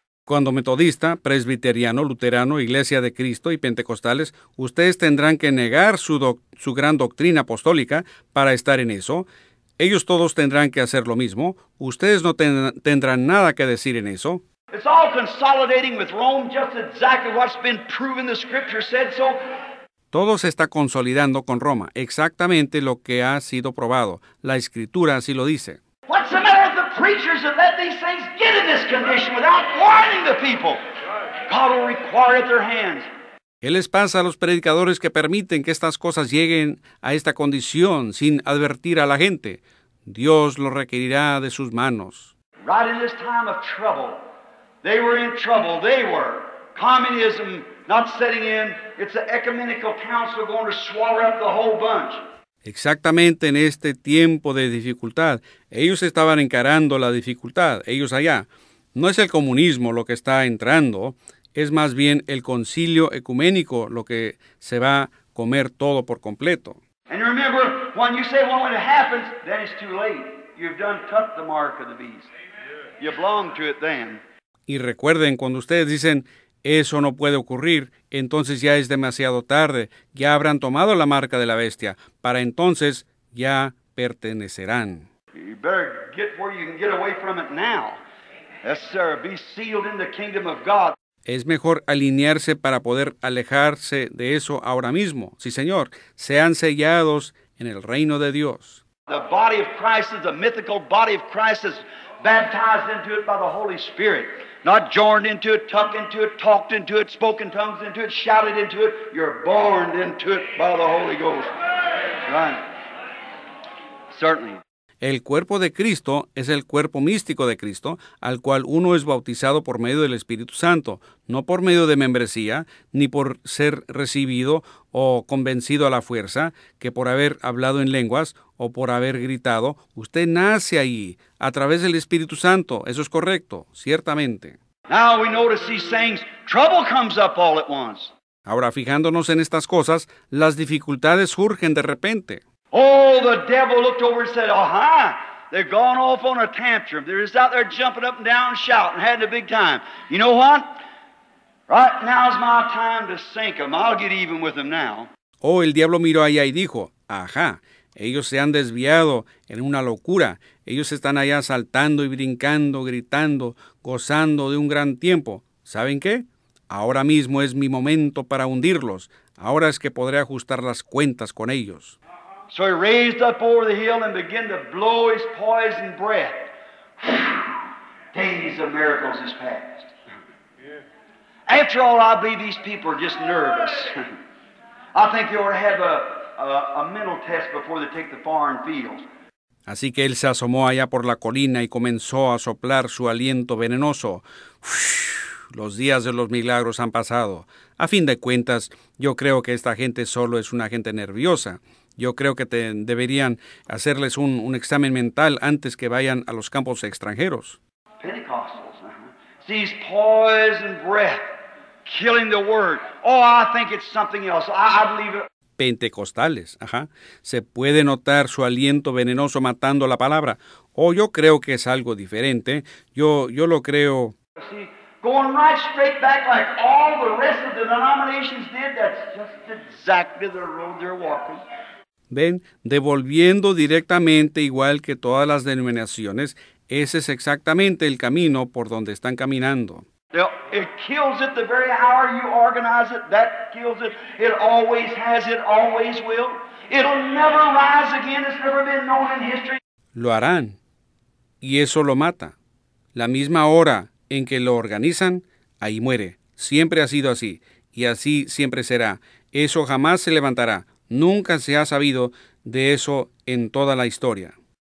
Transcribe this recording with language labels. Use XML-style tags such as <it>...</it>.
<es>Cuando metodista, presbiteriano, luterano, iglesia de Cristo y pentecostales, ustedes tendrán que negar su gran doctrina apostólica para estar en eso. Ellos todos tendrán que hacer lo mismo. Ustedes no tendrán nada que decir en eso.</es> <en>It's all consolidating with Rome, just exactly what's been proven the scripture said so.</en> <es>Todo se está consolidando con Roma, exactamente lo que ha sido probado. La Escritura así lo dice.</es> <en>What's the matter with the preachers that let these things get in this condition without warning the people? God will require at their hands.</en> <es>¿Qué les pasa a los predicadores que permiten que estas cosas lleguen a esta condición sin advertir a la gente? Dios lo requerirá de sus manos.</es> <en>Right in this time of trouble, they were in trouble, they were. Communism not setting in, it's an ecumenical council going to swallow up the whole bunch.</en> <es>Exactamente en este tiempo de dificultad, ellos estaban encarando la dificultad, ellos allá. No es el comunismo lo que está entrando, es más bien el concilio ecuménico lo que se va a comer todo por completo.</es> <en>And remember, when you say, well, when it happens, then it's too late. You've done took the mark of the beast. You belong to it then.</en> <es>Y recuerden, cuando ustedes dicen, eso no puede ocurrir, entonces ya es demasiado tarde, ya habrán tomado la marca de la bestia, para entonces ya pertenecerán.</es> <en>You better get where you can get away from it now. Yes, sir, be sealed in the kingdom of God.</en> <es>Es mejor alinearse para poder alejarse de eso ahora mismo. Sí, señor, sean sellados en el reino de Dios.</es> <en>The body of Christ is a mythical body of Christ is baptized into it by the Holy Spirit. Not joined into it, tucked into it, talked into it, spoken tongues into it, shouted into it. You're born into it by the Holy Ghost. Right. Certainly.</en> <es>El cuerpo de Cristo es el cuerpo místico de Cristo, al cual uno es bautizado por medio del Espíritu Santo, no por medio de membresía, ni por ser recibido o convencido a la fuerza, que por haber hablado en lenguas o por haber gritado. Usted nace ahí, a través del Espíritu Santo. Eso es correcto, ciertamente.</es> <en>Now we notice these things, trouble comes up all at once.</en> <es>Ahora, fijándonos en estas cosas, las dificultades surgen de repente.</es> <en>Oh, the devil looked over and said, aha, they've gone off on a tantrum. They're just out there jumping up and down, shouting, having a big time. You know what? Right now's my time to sink them. I'll get even with them now.</en> <es>Oh, el diablo miró allá y dijo, aha, ellos se han desviado en una locura. Ellos están allá saltando y brincando, gritando, gozando de un gran tiempo. ¿Saben qué? Ahora mismo es mi momento para hundirlos. Ahora es que podré ajustar las cuentas con ellos.</es> <en>So he raised up over the hill and began to blow his poison breath. Days of miracles has passed. After all, I believe these people are just nervous. I think they ought to have a mental test before they take the foreign fields.</en> <es>Así que él se asomó allá por la colina y comenzó a soplar su aliento venenoso. Uf, los días de los milagros han pasado. A fin de cuentas, yo creo que esta gente solo es una gente nerviosa. Yo creo que deberían hacerles un examen mental antes que vayan a los campos extranjeros.</es> <en>Pentecostals, sees poison breath, killing the word. Oh, I think it's something else. I believe it.</en> <es>Pentecostales, Se puede notar su aliento venenoso matando la palabra. Oh, yo creo que es algo diferente. Yo lo creo.</es> <en>See, going right straight back like all the rest of the denominations did, that's just exactly the road they're walking.</en> <es>Ven, devolviendo directamente igual que todas las denominaciones, ese es exactamente el camino por donde están caminando.</es> <en>It kills it the very hour you organize it. That kills it. It always has. It always will. It'll never rise again. It's never been known in history.</en> <es>Lo harán. Y eso lo mata. La misma hora en que lo organizan, ahí muere. Siempre ha sido así. Y así siempre será. Eso jamás se levantará. Nunca se ha sabido de eso en toda la historia.</es>